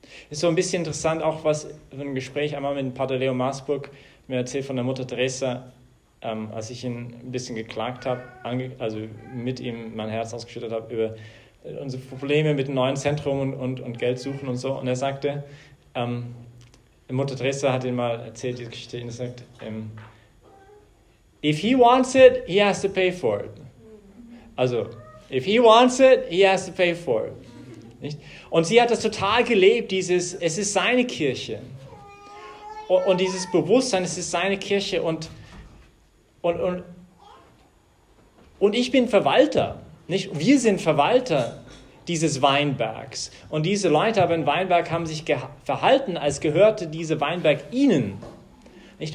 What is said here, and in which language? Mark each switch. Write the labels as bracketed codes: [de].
[de] Ist so ein bisschen interessant, auch was für ein Gespräch einmal mit dem Pater Leo Marsburg mir erzählt von der Mutter Teresa, als ich ihn ein bisschen geklagt habe, also mit ihm mein Herz ausgeschüttet habe über unsere Probleme mit dem neuen Zentrum und Geld suchen und so. Und er sagte, Mutter Teresa hat ihm mal erzählt, diese Geschichte, und er sagt, [en] if he wants it, he has to pay for it. Also, if he wants it, he has to pay for it. [de] Nicht? Und sie hat das total gelebt, dieses, es ist seine Kirche. Und dieses Bewusstsein, es ist seine Kirche. Und ich bin Verwalter. Nicht? Wir sind Verwalter dieses Weinbergs. Und diese Leute aber im Weinberg haben sich verhalten, als gehörte dieser Weinberg ihnen. Nicht?